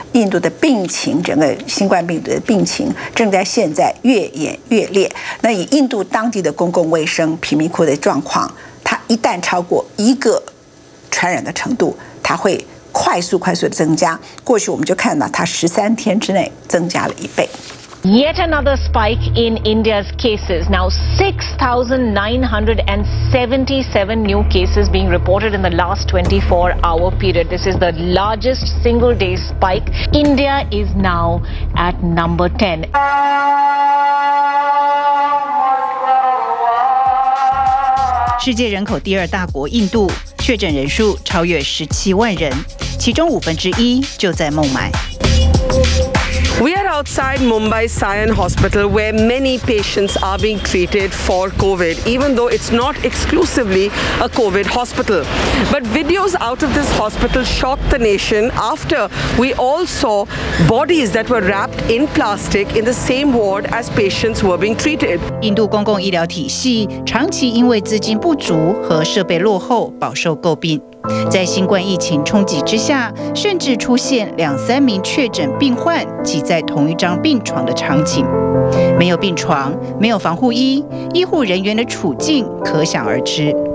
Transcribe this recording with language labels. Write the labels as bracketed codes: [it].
[zh] 印度的病情，整个新冠病毒的病情正在现在越演越烈。那以印度当地的公共卫生贫民窟的状况，它一旦超过一个传染的程度，它会快速的增加。过去我们就看到它13天之内增加了一倍。 [en] Yet another spike in India's cases. Now 6,977 new cases being reported in the last 24-hour period. This is the largest single day spike. India is now at number 10. World's second largest population, India, [zh] 确诊人数超越170,000人，其中五分之一就在孟买。 [en] We are outside Mumbai Sion Hospital where many patients are being treated for COVID, even though it's not exclusively a COVID hospital. But videos out of this hospital shocked the nation after we all saw bodies that were wrapped in plastic in the same ward as patients were being treated. [zh] 印度公共医疗体系长期因为资金不足和设备落后饱受诟病。在新冠疫情冲击之下，甚至出现两三名确诊病患挤在同一张病床的场景。没有病床，没有防护衣，医护人员的处境可想而知。